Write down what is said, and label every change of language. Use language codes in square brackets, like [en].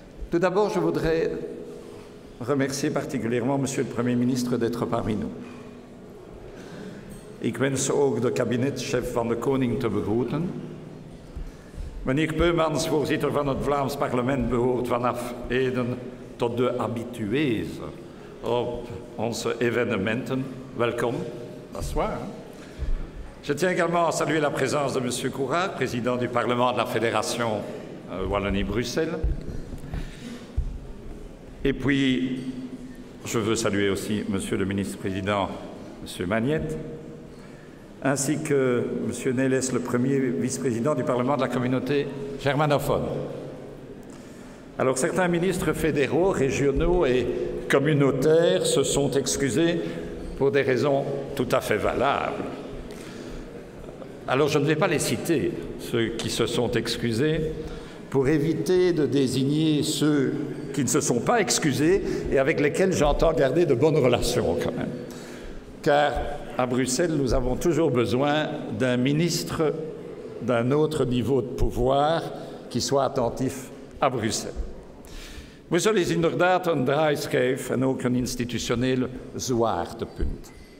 [fr] Tout d'abord, je voudrais remercier particulièrement Monsieur le Premier ministre d'être parmi nous. [nl] Ik wens ook de kabinetschef van de koning te begroeten. Meneer Peumans, voorzitter van het Vlaams parlement, behoort vanaf heden tot de habitués op onze evenementen. Welkom, [fr] bonsoir. Je tiens également à saluer la présence de Monsieur Courard, président du Parlement de la Fédération Wallonie-Bruxelles. Et puis, je veux saluer aussi Monsieur le ministre-président, Monsieur Magnette, ainsi que Monsieur Nélès, le premier vice-président du Parlement de la communauté germanophone. Alors, certains ministres fédéraux, régionaux et communautaires se sont excusés pour des raisons tout à fait valables. Alors, je ne vais pas les citer, ceux qui se sont excusés, pour éviter de désigner ceux qui ne se sont pas excusés et avec lesquels j'entends garder de bonnes relations quand même. Car à Bruxelles, nous avons toujours besoin d'un ministre d'un autre niveau de pouvoir qui soit attentif à Bruxelles. [nl] Brussel is inderdaad een draaischijf en ook een institutioneel zwaartepunt.